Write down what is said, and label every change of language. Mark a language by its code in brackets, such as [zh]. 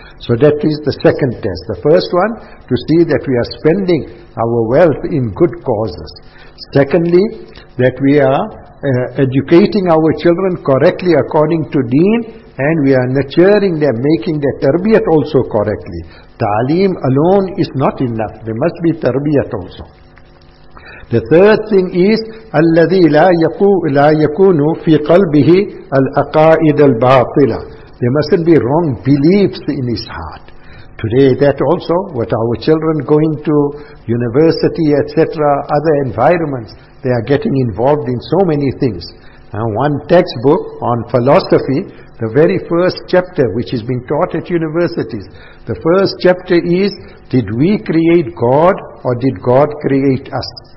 [en] So that is the second test. The first one, to see that we are spending our wealth in good causes. Secondly, that we are educating our children correctly according to deen, and we are nurturing them, making their tarbiyat also correctly. Ta'aleem alone is not enough. There must be tarbiyat also. The third thing is, [ar] الذي لا يكون في قلبه الأقائد الباطلة. [en] There mustn't be wrong beliefs in his heart. Today that also, with our children going to university, etc., other environments, they are getting involved in so many things. And one textbook on philosophy, the very first chapter which is being taught at universities, the first chapter is, did we create God or did God create us?